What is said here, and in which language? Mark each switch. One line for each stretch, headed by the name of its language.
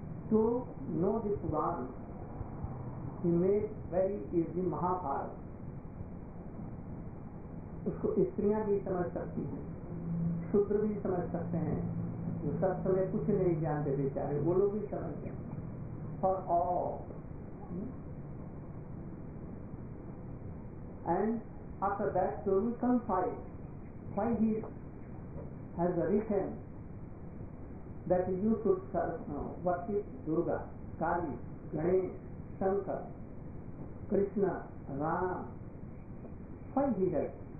English: To know the Puran, he made very easy Mahabharata.
Hindi: उसको स्त्रियां भी समझ सकती हैं, शूद्र भी समझ सकते हैं, जो सब समय कुछ नहीं जानते बेचारे, वो लोग भी समझते हैं।
English: For all, and after that, so we can find why he has written that you should serve, worship Durga, Kali, Ganesh, Shankar, Krishna, Ram. Why he has?